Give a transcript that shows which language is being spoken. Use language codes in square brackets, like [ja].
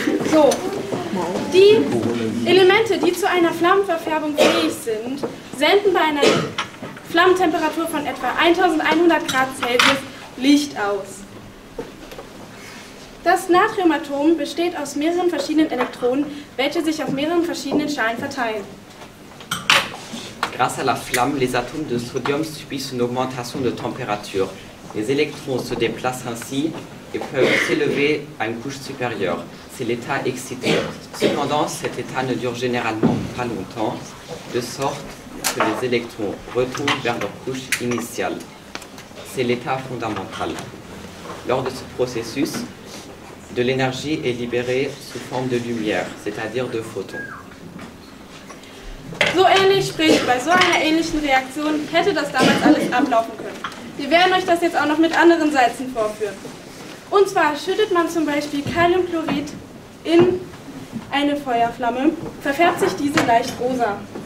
[de] So, die Elemente, die zu einer Flammenverfärbung fähig sind, senden bei einer Flammentemperatur von etwa 1100 Grad Celsius Licht aus. Das Natriumatom besteht aus mehreren verschiedenen Elektronen, welche sich auf mehreren verschiedenen Schalen verteilen. [fr] Grâce à la flamme, les atomes de sodium subissent une augmentation de température. Les électrons se déplacent ainsi et peuvent s'élever à une couche supérieure. C'est l'état excité. Cependant, cet état ne dure généralement pas longtemps, de sorte que les électrons retournent vers leur couche initiale. C'est l'état fondamental. Lors de ce processus, de l'énergie est libérée sous forme de lumière, c'est-à-dire de photons. [de] So ähnlich, sprich, bei so einer ähnlichen Reaktion hätte das damals alles ablaufen können. Wir werden euch das jetzt auch noch mit anderen Salzen vorführen. Und zwar schüttet man zum Beispiel Kaliumchlorid in eine Feuerflamme, verfärbt sich diese leicht rosa.